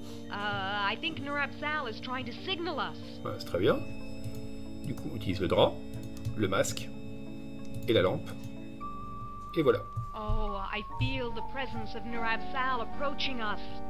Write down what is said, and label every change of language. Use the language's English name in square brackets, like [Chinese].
[English] I think Nurab Sal is trying to signal us. [French] Voilà, c'est très bien. Du coup, on utilise le drap, le masque et la lampe. Et voilà. [English] Oh, I feel the presence of Nurab Sal approaching us.